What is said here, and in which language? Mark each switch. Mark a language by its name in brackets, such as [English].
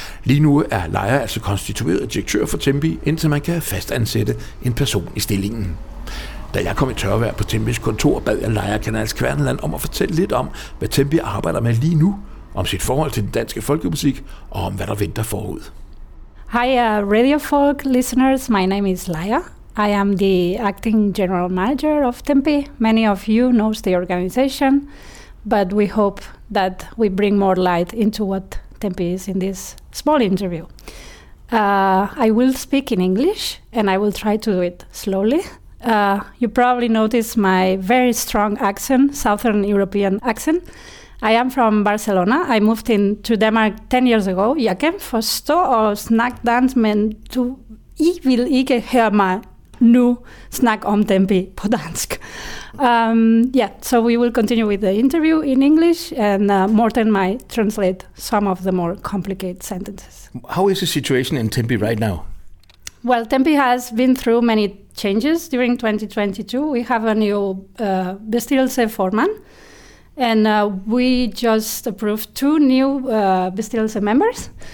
[Danish] Lige nu er Leia altså konstitueret direktør for Tempi, indtil man kan fastansætte en person i stillingen. Da jeg kom i tørvejr på Tempis kontor, bad jeg Leia Canales Kverneland om at fortælle lidt om, hvad Tempi arbejder med lige nu, om sit forhold til den danske folkemusik, og om hvad der venter forud. [English] Hi Radio Folk listeners, my name is Leia. I am the acting general manager of Tempi. Many of you know the organization, but we hope that we bring more light into what Tempi is in this small interview. I will speak in English, and I will try to do it slowly. You probably noticed my very strong accent, Southern European accent. I am from Barcelona. I moved in to Denmark 10 years ago. [Danish] Jeg kan forstå og snakke dansk, men du I vil ikke høre mig nu snakke om Tempi på dansk. [English] So we will continue with the interview in English, and Morten might translate some of the more complicated sentences. How is the situation in Tempi right now? Well, Tempi has been through many changes during 2022. We have a new Bestyrelse foreman, and we just approved 2 new Bestyrelse members.